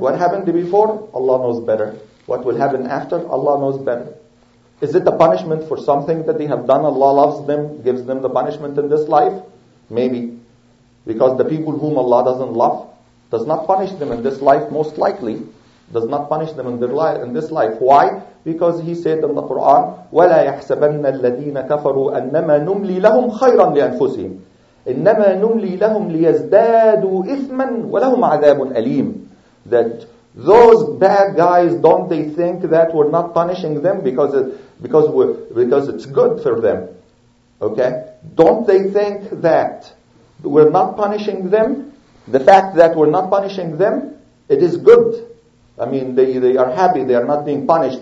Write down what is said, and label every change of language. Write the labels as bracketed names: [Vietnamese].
[English] What happened before? Allah knows better. What will happen after? Allah knows better. Is it a punishment for something that they have done? Allah loves them, gives them the punishment in this life? Maybe. Because the people whom Allah doesn't love does not punish them in this life, most likely. Does not punish them in this life. Why? Because he said in the Quran, [Arabic] وَلَا يَحْسَبَنَّ الَّذِينَ كَفَرُوا أَنَّمَا نُمْلِي لَهُمْ خَيْرًا لِأَنفُسِهِمْ إِنَّمَا نُمْلِي لَهُمْ لِيَزْدَادُوا إِثْمًا وَلَهُمْ عَذَابٌ أَلِيمٌ. [English] That those bad guys, don't they think that we're not punishing them because it's good for them? Okay? Don't they think that we're not punishing them? The fact that we're not punishing them, it is good. I mean, they are happy, they are not being punished.